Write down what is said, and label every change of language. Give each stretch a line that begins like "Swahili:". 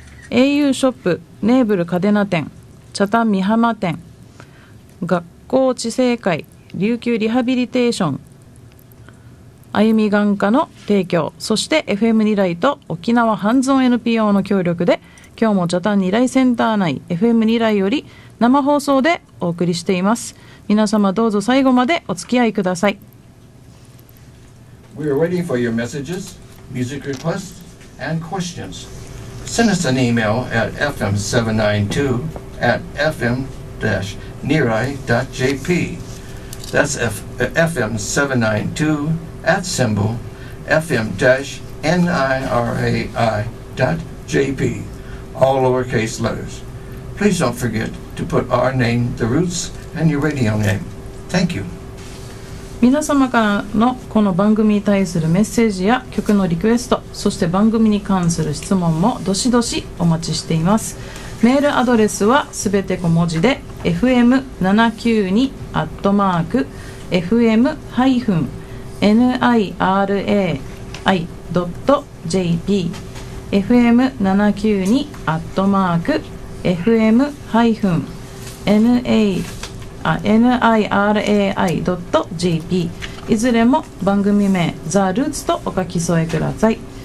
Japanese: AU ショップネーブルカデナ店、茶谷美浜店、学校知性会琉球リハビリテーション、あゆみ眼科の提供、そして FM リライと沖縄ハンズオン NPO の協力で、今日も茶谷リライセンター内 FM リライより生放送でお送りしています。皆様どうぞ最後までお付き合いください。
English: We are waiting for your messages, music requests, and questions. Send us an email at fm792@fm-nirai.jp. That's fm792@fm-nirai.jp, all lowercase letters. Please don't forget to put our name, The Roots, and your radio name. Thank you.
Japanese: 皆様からのこの番組に対するメッセージや曲のリクエスト、そして番組に関する質問もどしどしお待ちしています。メールアドレスはすべて小文字で fm792@fm-nirai.jp fm792@fm-nirai.jp、 いずれも番組名ザ・ルーツとお書き添えください。